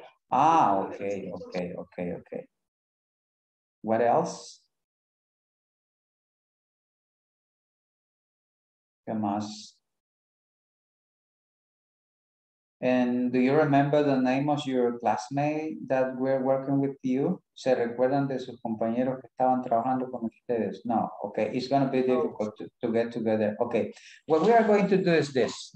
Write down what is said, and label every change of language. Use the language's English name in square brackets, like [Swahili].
[English] Ah, okay, okay, okay, okay. What else? [Spanish] ¿Qué más? [English] And do you remember the name of your classmate that were working with you? [Spanish] ¿Se recuerdan de sus compañeros que estaban trabajando con ustedes? [English] No, okay, it's gonna be difficult to get together. Okay, what we are going to do is this.